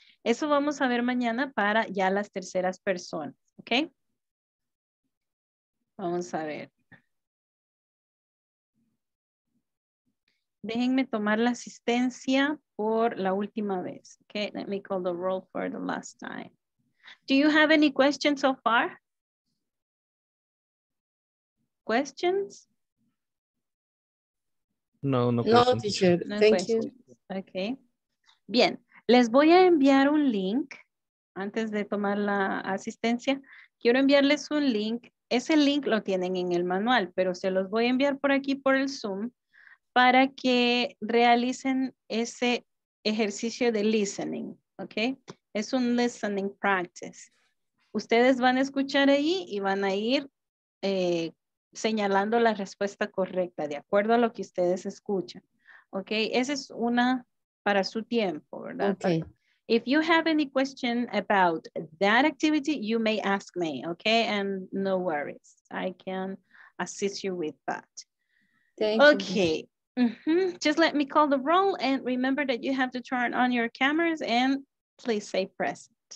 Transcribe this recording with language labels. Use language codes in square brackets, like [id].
[es] Eso vamos a ver mañana para ya las terceras personas, [en] okay? [es] Vamos a ver. Déjenme tomar la asistencia por la última vez. [en] Okay, let me call the roll for the last time. Do you have any questions so far? Questions? No, teacher. No. Thank questions. You. Okay. [es] Bien, les voy a enviar un link antes de tomar la asistencia. Quiero enviarles un link. Ese link lo tienen en el manual, pero se los voy a enviar por aquí por el Zoom, para que realicen ese ejercicio de [en] listening, [es] ¿ok? Es un [en] listening practice. [es] Ustedes van a escuchar ahí y van a ir señalando la respuesta correcta de acuerdo a lo que ustedes escuchan, ¿ok? Esa es una para su tiempo, ¿verdad? [en] Okay. If you have any question about that activity, you may ask me, okay? And no worries, I can assist you with that. Thank you. Mm-hmm. Just let me call the roll and remember that you have to turn on your cameras and please say present.